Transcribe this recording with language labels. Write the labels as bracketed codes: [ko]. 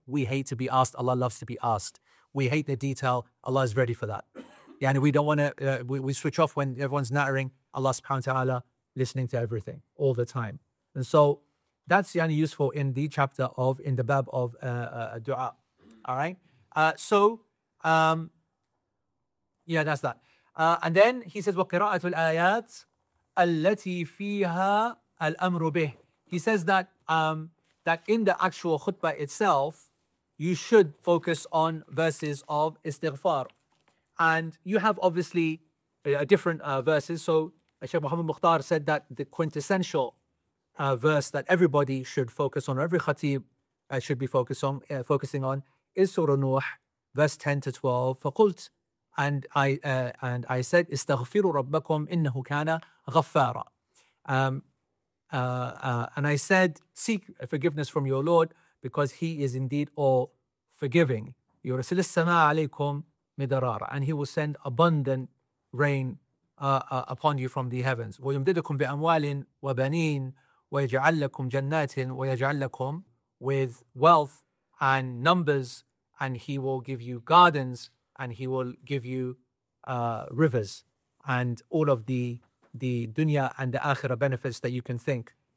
[en] We hate to be asked, Allah loves to be asked. We hate the detail, Allah is ready for that. Yani we don't want to, we switch off when everyone's nattering, Allah subhanahu wa ta'ala listening to everything, all the time. And so that's yani useful in the chapter of, in the bab of dua, all right? So, that's that. [ar] And then he says, وَقِرَاءَةُ الْآيَاتِ الَّتِي فِيهَا الْأَمْرُ بِهِ. [en] He says that that in the actual khutbah itself, you should focus on verses of istighfar. And you have obviously different verses. So Sheikh Muhammad Mukhtar said that the quintessential verse that everybody should focus on, or every khatib should be focusing on, is Surah Nuh, verse 10 to 12. [ar] فَقُلْتُ [en] And I said, [ar] استغفروا ربكم إنه كان غفارا. [en] And I said, seek forgiveness from your Lord because He is indeed all forgiving. [ar] يرسل السماء عليكم مدرارا. [en] And He will send abundant rain upon you from the heavens. [ar] ويمددكم بأموال وبنين ويجعل لكم [en] جنات ويجعل لكم, with wealth and numbers, and He will give you gardens, and He will give you rivers and all of the dunya and the akhirah benefits that you can think.